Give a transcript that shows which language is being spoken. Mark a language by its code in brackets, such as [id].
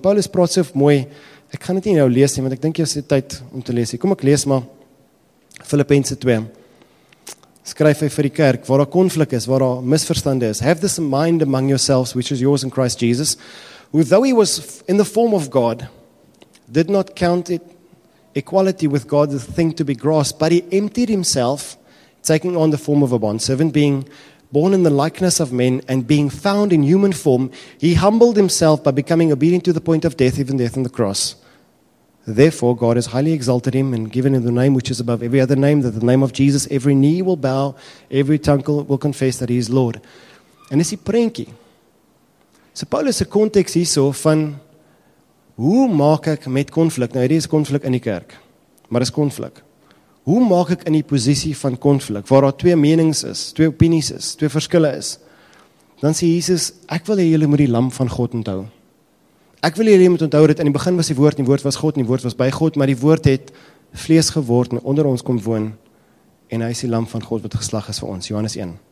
[af] Paulus praat so mooi, ek gaan dit nie nou lees nie, want ek dink jy is die tyd om te lees. Kom ek lees maar, Filippense 2. Skryf hy vir die kerk, waar daar konflik is, waar daar misverstande is. [en] Have this mind among yourselves, which is yours in Christ Jesus, who though he was in the form of God, did not count it equality with God as a thing to be grasped, but he emptied himself, taking on the form of a bondservant, being born in the likeness of men, and being found in human form, he humbled himself by becoming obedient to the point of death, even death on the cross. Therefore, God has highly exalted him and given him the name which is above every other name, that the name of Jesus, every knee will bow, every tongue will confess that he is Lord. And is he prankie? [af] So Paulus se konteks hierso van hoe maak ek met konflik? Nou, hierdie is konflik in die kerk, maar is konflik. Hoe maak ek in die posisie van konflik, waar daar twee menings is, twee opinies is, twee verskille is? Dan sê Jesus, ek wil julle met die lam van God onthou. Ek wil julle met onthou dat in die begin was die woord was God en die woord was by God, maar die woord het vlees geword en onder ons kom woon en hy is die lam van God wat geslag is vir ons, Johannes 1.